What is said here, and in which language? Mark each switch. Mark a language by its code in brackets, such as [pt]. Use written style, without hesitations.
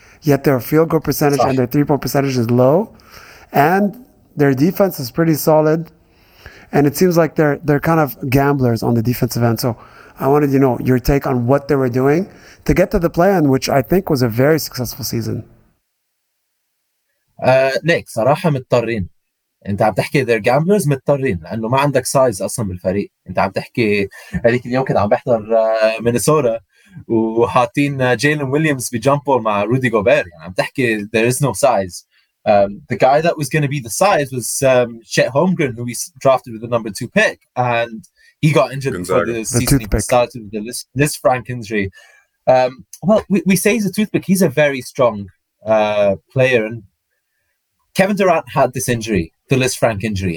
[en] Yet their field goal percentage and their 3-point percentage is low. And their defense is pretty solid, and it seems like they're kind of gamblers on the defensive end. So I wanted to know your take on what they were doing to get to the play-in, which I think was a very successful season. [ar] Nick, صراحة مضطرين. أنت عم تحكي [en] they're gamblers [ar] مضطرين لأنه ما عندك [en] size [ar] أصلاً بالفريق. أنت عم تحكي هذيك اليوم كنت عم بحضر مينيسوتا وحاطين جيلين ويليامز بجامبول مع رودي غوبير. عم تحكي [en] there is no size. The guy that was going to be the size was Chet Holmgren, who we drafted with the number 2 pick. And he got injured before the season even started with the Lisfranc injury. We say he's a toothpick. He's a very strong player. And Kevin Durant had this injury, the Lisfranc injury.